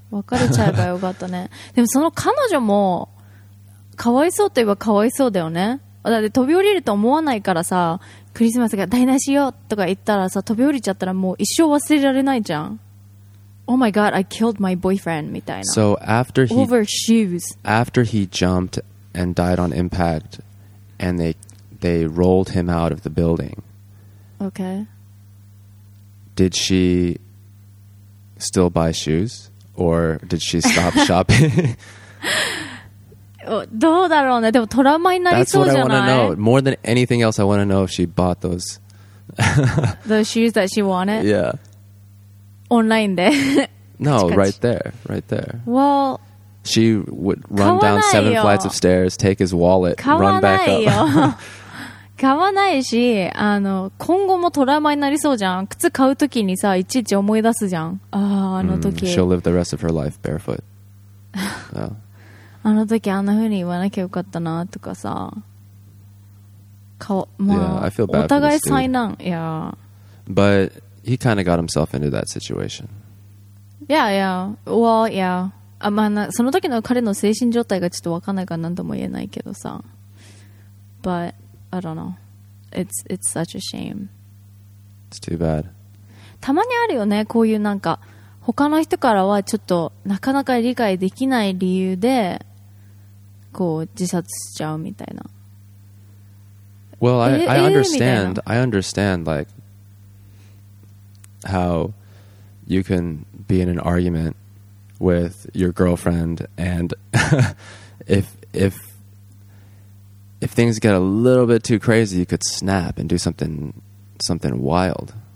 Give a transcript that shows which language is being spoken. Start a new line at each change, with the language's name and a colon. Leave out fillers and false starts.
Japanese: 別れちゃえばよかったね。でもその彼女もかわいそうといえばかわいそうだよね。だって飛び降りると思わないからさ、クリスマスが台無しよとか言ったらさ、飛び降りちゃったらもう一生忘れられないじゃん。
English: Oh my god, I killed my boyfriend
Japanese: みたいな。
English: So after he over shoes after he jumped and died on impact and they rolled him out of the building. Okay. Did sheStill buy shoes? Or did she stop shopping?
Japanese: どうだろうね。でもトラウマになりそうじゃない?
English: That's what I want to know. More than anything else, I want to know if she bought those. those shoes that she wanted? Yeah.
Japanese: Online で?
English: No, right there. Right there. Well, she would run down 7 flights of stairs, take his wallet, run back up.
Japanese: 買わないよ。買わないし、あの、今後もトラウマになりそうじゃん。靴買うときにさ、いちいち思い出すじゃん。ああ、あのとき。
English: She'll live the rest of her life barefoot.
Japanese: あのときあんなふうに言わなきゃよかったなとかさ。まあ、
English: yeah, I feel bad
Japanese: お互い災難。いや。
English: But he kind of got himself into that situation. Yeah, yeah. Well, yeah.
Japanese: あ、まあ、その時の彼の精神状態がちょっとわかんないから何とも言えないけどさ。
English: But... I don't know. It's such a shame. It's too bad.
Japanese: たまにあるよね。こういうなんか他の人からはちょっとなかなか理解できない理由でこう自殺しちゃうみたいな。
English: Well, I understand. I understand like how you can be in an argument with your girlfriend and if things get a little bit too crazy, you could snap and do something wild.